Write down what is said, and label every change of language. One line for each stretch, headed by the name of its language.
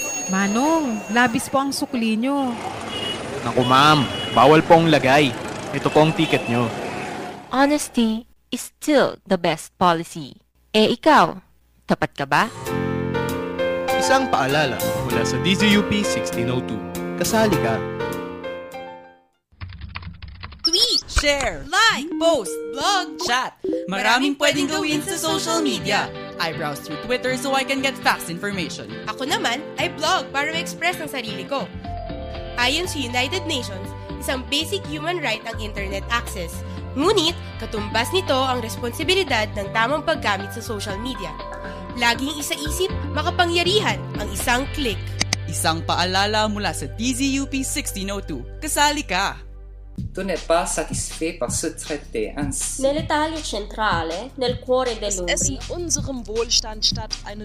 Filipino: Manong, labis po ang sukli nyo. Naku ma'am, bawal pong lagay. Ito po ang ticket nyo.
English: Honesty is still the best policy.
Filipino: Eh ikaw, tapat ka ba? Isang paalala mula sa DZUP 1602. Kasali ka. Tweet, share, like, post, blog, chat. Maraming pwedeng gawin sa social media.
English: I browse through Twitter so I can get fast information.
Filipino: Ako naman ay blog para ma-express ang sarili ko. Ayon sa United Nations, isang
English: basic human right
Filipino: ang internet access. Ngunit, katumbas nito ang responsibilidad ng tamang paggamit sa social media. Laging isaisip, makapangyarihan ang isang click. Isang paalala mula sa DZUP 1602. Kasali ka!
French: Tu n'es pas satisfait par ce traité ainsi.
Italian: Nell'Italia centrale, nel cuore dell'Umbria.
German: Es ist in unserem Wohlstand statt eine